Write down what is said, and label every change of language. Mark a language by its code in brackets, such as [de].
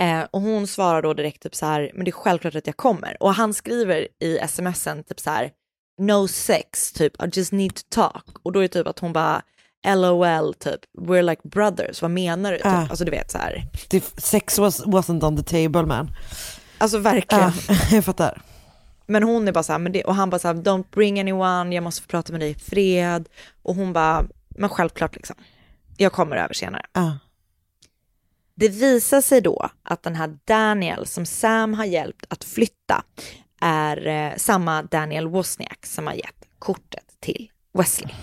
[sv] Och hon svarar då direkt typ så här, men det är självklart att jag kommer. Och han skriver i sms:en typ så här, [en] no sex, [sv] typ, [en] I just need to talk. [sv] Och då är det typ att hon bara, lol, typ, [en] we're like brothers, [sv] vad menar du? Typ, alltså du vet så här, [en] sex wasn't on the table, man. [sv] Alltså verkligen. Ja, jag fattar. Men hon är bara så här, men det, och han bara så här, [en] don't bring anyone, [sv] jag måste få prata med dig i fred. Och hon bara, men självklart liksom, jag kommer över senare. Ja. Det visar sig då att den här Daniel som Sam har hjälpt att flytta är samma Daniel Wozniak som har gett kortet till Wesley.